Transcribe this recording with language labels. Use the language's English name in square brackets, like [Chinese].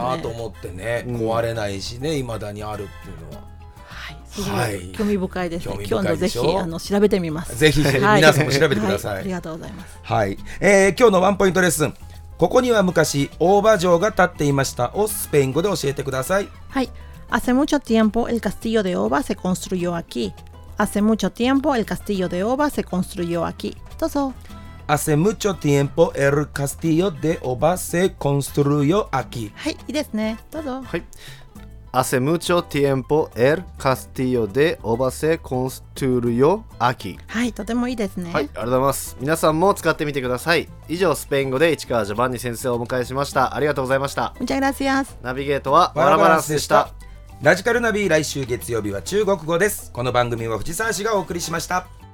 [Japanese] すごいなと思ってね、壊れないしね、未だにあるっていうのは、はい、すごい興味深いですね。興味深いでしょ。今日のぜひ調べてみます。ぜひ、はい、皆さんも調べてください、はい、ありがとうございます。はい、今日のワンポイントレッスン、ここには昔大場城が建っていましたをスペイン語で教えてください。 [Spanish] はい、Hace mucho tiempo el castillo de Oba se construyó aquí. Hace mucho tiempo el castillo de Oba se construyó aquí. [Japanese] Dozo. [Spanish] Hace mucho tiempo el castillo de Oba se construyó aquí. [Japanese] はい、いいですね。Dozo. [Spanish] Hace mucho tiempo el castillo de Oba se construyó aquí. [Japanese] はい、とてもいいですね。はい、ありがとうございます。皆さんも使ってみてください。以上、スペイン語で市川ジョバンニ先生をお迎えしました。ありがとうございました。 [Spanish] Muchas gracias. [Japanese] ナビゲートはバラバランスでした。ラジカルナビ、来週月曜日は中国語です。この番組は藤沢氏がお送りしました。